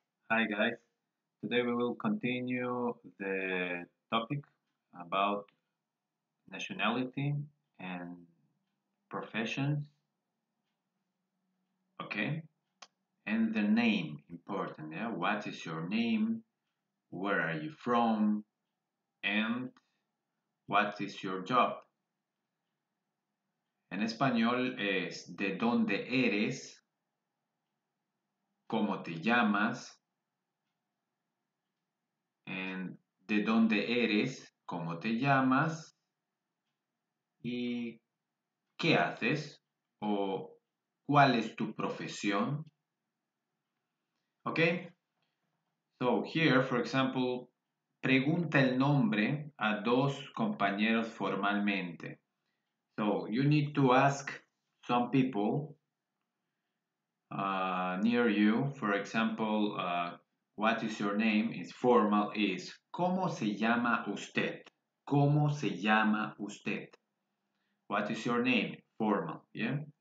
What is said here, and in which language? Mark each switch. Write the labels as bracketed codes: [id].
[en] Hi guys, today we will continue the topic about nationality and professions, okay? And the name, important, yeah? What is your name, where are you from, and what is your job? [es] En español es de dónde eres, cómo te llamas, de dónde eres, cómo te llamas y qué haces o cuál es tu profesión. [en] Okay, so here, for example, [es] pregunta el nombre a dos compañeros formalmente. [en] So you need to ask some people near you, for example, what is your name? It's formal. Is [es] ¿cómo se llama usted? ¿Cómo se llama usted? [en] What is your name? Formal. Yeah.